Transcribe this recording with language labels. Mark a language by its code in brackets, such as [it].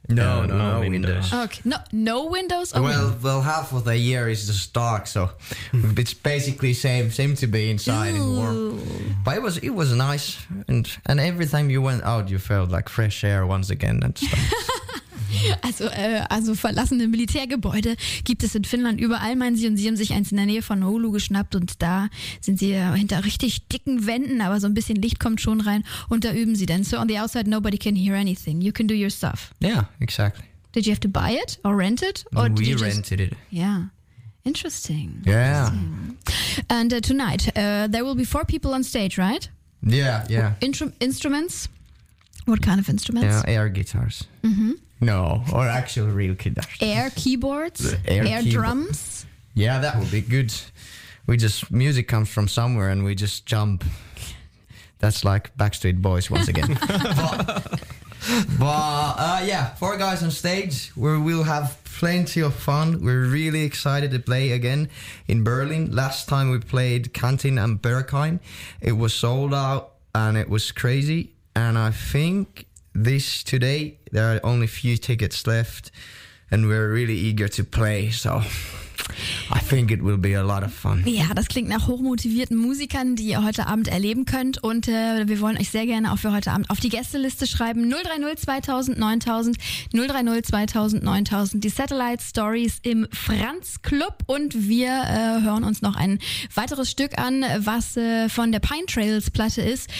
[en] No windows. Okay. No windows? Oh, well, half of the year is just dark, so it's basically same to be inside and warm. But it was nice, and every time you went out, you felt like fresh air once again and stuff. [de] Also verlassene Militärgebäude gibt es in Finnland überall, meinen Sie, und Sie haben sich eins in der Nähe von Oulu geschnappt und da sind Sie hinter richtig dicken Wänden, aber so ein bisschen Licht kommt schon rein und da üben Sie dann. [en] So on the outside, nobody can hear anything. You can do your stuff. Yeah, exactly. Did you have to buy it or rent it? Or we did you rented just it. Yeah. Interesting. Yeah. And tonight, there will be four people on stage, right? Yeah, yeah. Instruments? What kind of instruments? Air guitars. Mm-hmm. No, or actual real guitars. Air keyboards? Air drums? Yeah, that would be good. Music comes from somewhere and we just jump. That's like Backstreet Boys once again. But four guys on stage. We will have plenty of fun. We're really excited to play again in Berlin. Last time we played Kantin and Berghain, it was sold out and it was crazy. And I think today there are only few tickets left and we're really eager to play, so I think it will be a lot of fun. [de] Ja, das klingt nach hochmotivierten Musikern, die ihr heute Abend erleben könnt. Und wir wollen euch sehr gerne auch für heute Abend auf die Gästeliste schreiben. 030 2000 9000, 030 2000 9000, die Satellite Stories im Franz Club. Und wir hören uns noch ein weiteres Stück an, was von der Pine Trails Platte ist.